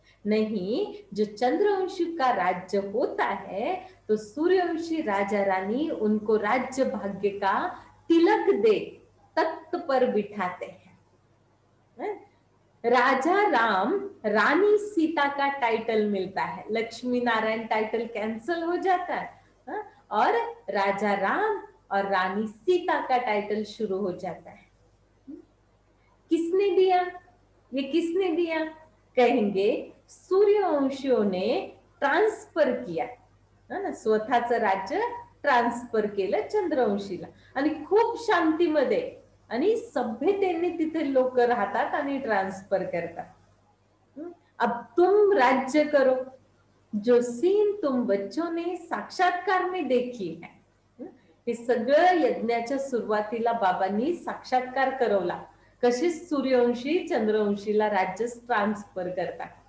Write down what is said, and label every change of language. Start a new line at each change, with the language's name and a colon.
Hindi: नहीं, जो चंद्रवंशी का राज्य होता है तो सूर्यवंशी राजा रानी उनको राज्य भाग्य का तिलक दे तख्त पर बिठाते हैं, है? राजा राम, रानी सीता का टाइटल मिलता है, लक्ष्मी नारायण टाइटल कैंसल हो जाता है, है? और राजा राम और रानी सीता का टाइटल शुरू हो जाता है। किसने दिया, ये किसने दिया, कहेंगे सूर्यवंशियों ने ट्रांसफर किया, है ना,
Marathi: स्वतःच राज्य ट्रांसफर केलं चंद्रवंशीला, आणि खूप शांतीमध्ये आणि सभ्यतेने तिथे लोक राहतात आणि ट्रान्सफर करतात।
Hindi: अब तुम राज्य करो, जो सीन तुम बच्चों ने साक्षात्कार में देखी है,
Marathi: हे सगळं यज्ञाच्या सुरुवातीला बाबांनी साक्षात्कार करवला, कशी सूर्यवंशी चंद्रवंशीला राज्य ट्रान्सफर करता,